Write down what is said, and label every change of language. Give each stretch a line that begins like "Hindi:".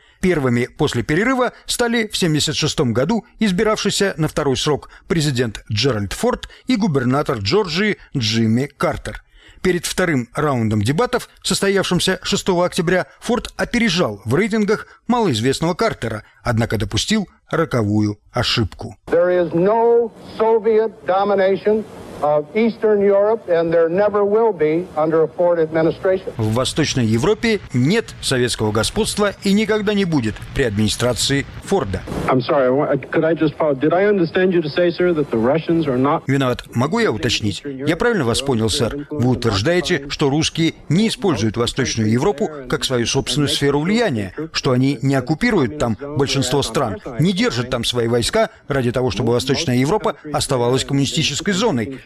Russian: Первыми после перерыва стали в 1976 году избиравшийся на второй срок президент Джеральд Форд и губернатор Джорджии Джимми Картер. Перед вторым раундом дебатов, состоявшимся 6 октября, Форд опережал в рейтингах малоизвестного Картера, однако допустил роковую ошибку.
English: There is no Soviet domination of Eastern Europe, and there never will be under a Ford administration.
Russian: В Восточной Европе нет советского господства и никогда не будет при администрации Форда.
English: I'm sorry, could I just follow? Did I understand you to say, sir, that the Russians are not...
Russian: Виноват. Могу я уточнить? Я правильно вас понял, сэр? Вы утверждаете, что русские не используют Восточную Европу как свою собственную сферу влияния, что они не оккупируют там большинство стран, не держат там свои войска ради того, чтобы Восточная Европа оставалась коммунистической зоной,